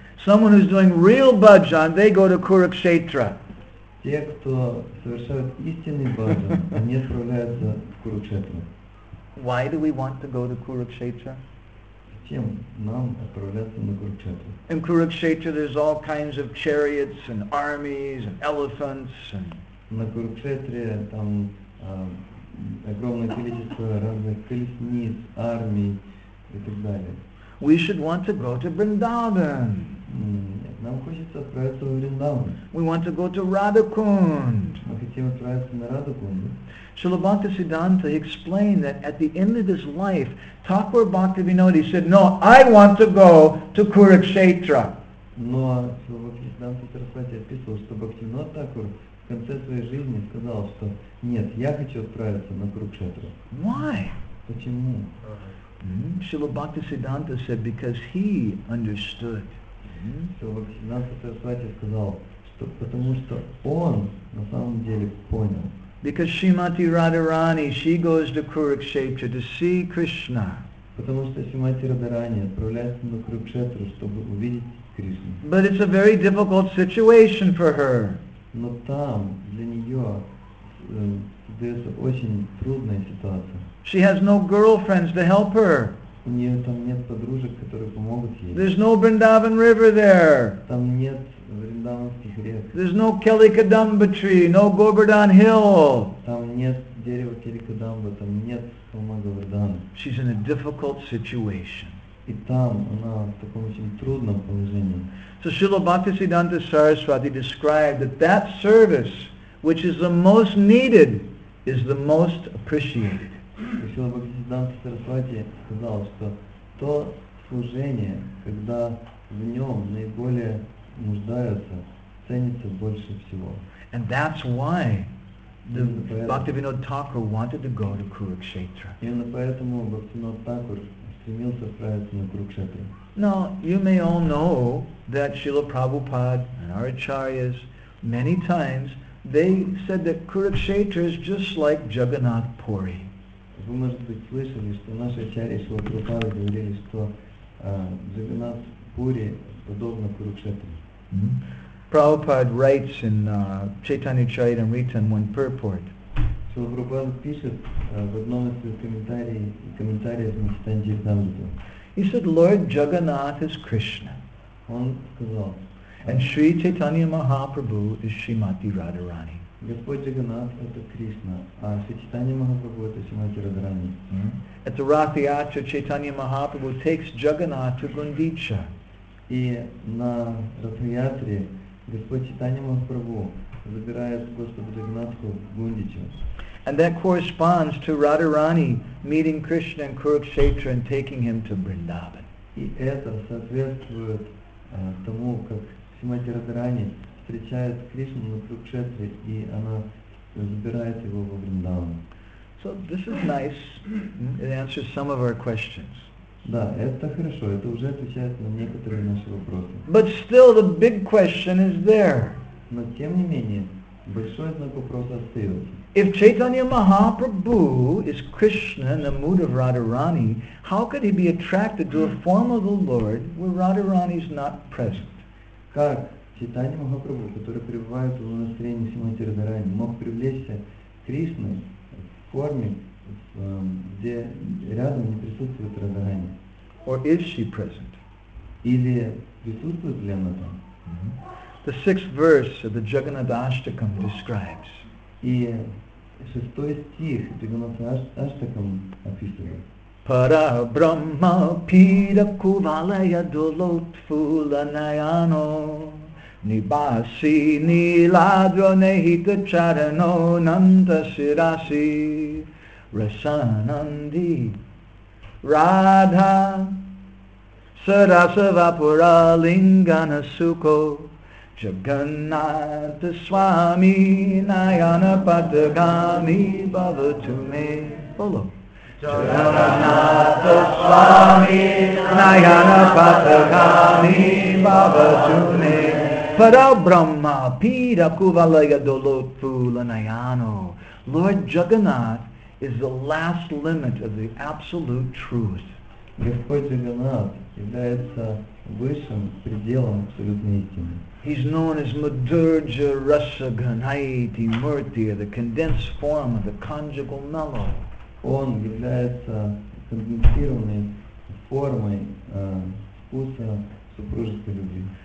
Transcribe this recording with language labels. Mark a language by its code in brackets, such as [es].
[en] Someone who's doing real bhajan, they go to Kurukshetra. [ru] Те, кто совершают истинный бхаджан, они отправляются в Курукшетру. [en] Why do we want to go to Kurukshetra? [ru] Зачем нам отправляться на Курукшетру? [en] In Kurukshetra there's all kinds of chariots and armies and elephants and... [ru] На Курукшетре там огромное количество разных колесниц, армий и так далее. [en] We should want to go to Vrindavan. [ru] Нам хочется отправиться в Вриндаван. [en] We want to go to Radhakund. [ru] Мы хотим отправиться на Радхакунду. [en] Srila Bhaktisiddhanta explained that at the end of his life, Thakur Bhaktivinoda said, no, I want to go to Kurukshetra. [ru] Но Srila Bhaktisiddhanta Saraswati описывал, что Бхактивинода Такур в конце своей жизни сказал, что нет, я хочу отправиться на Курукшетру. [en] Why? [ru] Почему? [en] Srila Bhaktisiddhanta said, because he understood. [ru] Srila Bhaktisiddhanta Saraswati сказал, что потому что он на самом деле понял. [en] Because Srimati Radharani, she goes to Kurukshetra to see Krishna. [ru] Потому что Srimati Radharani отправляется на Курукшетру, чтобы увидеть Кришну. [en] But it's a very difficult situation for her. [ru] Но там для нее создается очень трудная ситуация. [en] She has no girlfriends to help her. [ru] У нее там нет подружек, которые помогут ей. [en] There's no Vrindavan river there. [ru] Там нет Вриндаванских рек. [en] There's no Kelikadamba tree, no Govardhan hill. [ru] Там нет дерева Kelikadamba, там нет холма Говардхана. [en] She's in a difficult situation. [ru] И там она в таком очень трудном положении. [en] So Srila Bhaktisiddhanta Saraswati described that that service, which is the most needed, is the most appreciated. [ru] Srila Bhaktisiddhanta Saraswati сказал, что то служение, когда в нем наиболее нуждаются, ценится больше всего. [en] And that's why the Bhaktivinoda Thakur wanted to go to Kurukshetra. [ru] Именно поэтому Бхактивинода Такур стремился отправиться на Курукшетру. [en] Now, you may all know that Srila Prabhupada and our acharyas, many times, they said that Kurukshetra is just like Jagannath Puri. [ru] Вы, может быть, слышали, что наши ачарьи Шрила Прабхупады говорили, что Джаганнат Пури подобно Курукшетре. [en] Prabhupada writes in Chaitanya Charitamrita in one purport. [ru] Srila Prabhupada пишет в одном из своих комментариев на Chaitanya Charitamrita. [en] He said, Lord Jagannath is Krishna. [ru] Он сказал. [en] And Sri Chaitanya Mahaprabhu is Srimati Radharani. [ru] Господь Джаганнат это Кришна, а Sri Chaitanya Mahaprabhu это Srimati Radharani. [en] At the Rath Yatra, Chaitanya Mahaprabhu takes Jagannath to Gundicha. [ru] И на Ратхиатре Господь Чайтанья Махапрабху забирает Господа Джагнатху в Гундичу. [en] And that corresponds to Radharani meeting Krishna in Kurukshetra and taking him to Vrindavan. [ru] И это соответствует тому, как Шримати Радхарани встречает Кришну на Курукшетре и она забирает его во Вриндаван. [en] So this is nice. It answers some of our questions. [ru] Да, это хорошо, это уже отвечает на некоторые наши вопросы. [en] But still the big question is there. [ru] Но тем не менее, большой знак вопроса остается. [en] If Chaitanya Mahaprabhu is Krishna in the mood of Radharani, how could he be attracted to a form of the Lord where Radharani is not present? [ru] Как Чайтанья Махапрабху, который пребывает в настроении Шримати Радхарани, мог привлечься Кришной в форме, где рядом не присутствует Радхарани. [en] Or is she present? [ru] Или присутствует ли она там? [en] The sixth verse of the Jagannath Ashtakam describes. [ru] И шестой стих Jagannath Ashtakam описывает. [sa] Para Brahma Pira Kuvalaya Dulot Phula Nayano Nibasi Niladro Nehita Charano Nanda Sirasi Rasanandi Radha Sarasavapura Lingana Suko Jagannath Swami Nayana Patagami Bhavatume. [en] follow. [sa] Jagannatha Swami Nayana Patakami Bhavatune Parabrahma Pira Kuvalaya Dolopu Lanayano. [en] Lord Jagannath is the last limit of the absolute truth. [ru] Господь Джаганнат является высшим пределом абсолютной истины. [en] He's known as [sa] Madhurja Rasa Ganaiti Murti, [en] the condensed form of the conjugal mellow. [ru] Он является конденсированной формой вкуса супружеской любви.